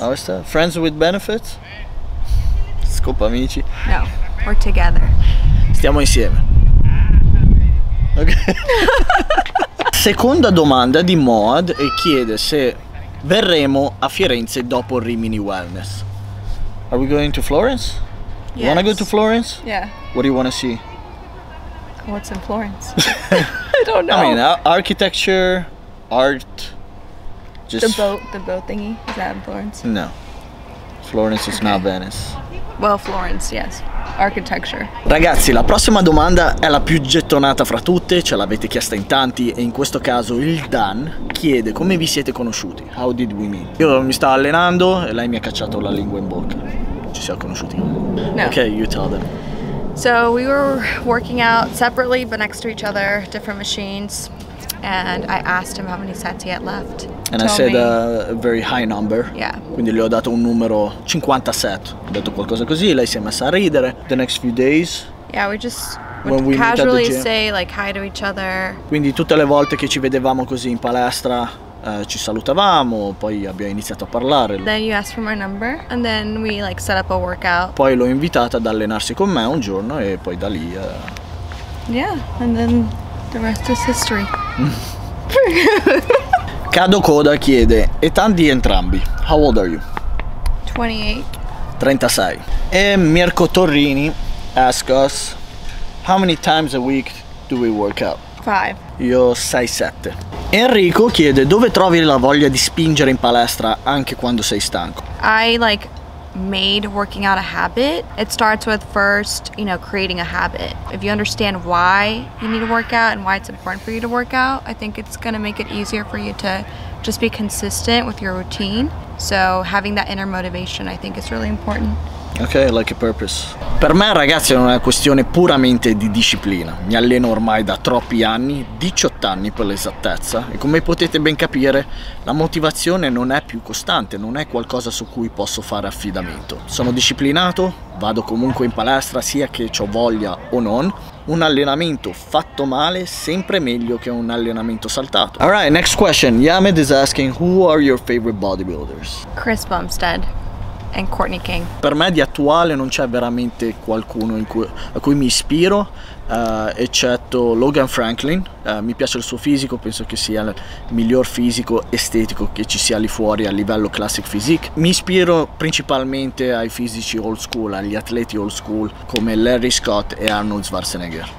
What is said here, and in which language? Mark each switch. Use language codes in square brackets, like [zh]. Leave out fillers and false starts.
[en] Our status. Friends with benefits? [it] Scopo amici. [en] No, we're together. [it] Stiamo insieme. Ok. Seconda domanda di Moad e chiede se verremo a Firenze dopo Rimini Wellness. [en] Are we going to Florence? Yes. You wanna go to Florence? Yeah. What do you wanna see? What's in Florence? I don't know. I mean, architecture, art, just the boat thingy. Is that in Florence? No. Florence is not Venice. Well, Florence, yes. Architecture. [it] Ragazzi, la prossima domanda è la più gettonata fra tutte, ce l'avete chiesta in tanti, e in questo caso il Dan chiede come vi siete conosciuti. [en] How did we meet? [it] Io mi stavo allenando e lei mi ha cacciato la lingua in bocca. Ci siamo conosciuti. No. [en] Okay, you tell them. So we were working out separately but next to each other, different machines, and I asked him how many sets he had left. And I said a very high number. Yeah. [it] Quindi gli ho dato un numero 50 set. Ho detto qualcosa così, lei si è messa a ridere. [en] The next few days. Yeah, we just would casually say like hi to each other. [it] Quindi tutte le volte che ci vedevamo così in palestra. Ci salutavamo, poi abbiamo iniziato a parlare. [en] Then you asked for my number and then we like set up a workout. [it] Poi l'ho invitata ad allenarsi con me un giorno e poi da lì. [en] Yeah, and then the rest is history. [it] Kado Koda chiede: età di entrambi. [en] How old are you? 28. 36. E Mirko Torrini ask us: how many times a week do we work out? 5. [it] Io 6-7. Enrico chiede dove trovi la voglia di spingere in palestra anche quando sei stanco. [en] I like made working out a habit. It starts with first, you know, creating a habit. If you understand why you need to work out and why it's important for you to work out, I think it's gonna make it easier for you to just be consistent with your routine. So having that inner motivation, I think, is really important. Ok, like a purpose. [it] Per me, ragazzi, è una questione puramente di disciplina. Mi alleno ormai da troppi anni, 18 anni per l'esattezza, e come potete ben capire, la motivazione non è più costante, non è qualcosa su cui posso fare affidamento. Sono disciplinato, vado comunque in palestra, sia che ho voglia o non. Un allenamento fatto male sempre meglio che un allenamento saltato. [en] All right, next question. Yamed is asking, who are your favorite bodybuilders? Chris Bumstead and Courtney King. [it] Per me di attuale non c'è veramente qualcuno a cui mi ispiro, eccetto Logan Franklin. Mi piace il suo fisico, penso che sia il miglior fisico estetico che ci sia lì fuori a livello classic physique. Mi ispiro principalmente ai fisici old school, agli atleti old school come Larry Scott e Arnold Schwarzenegger.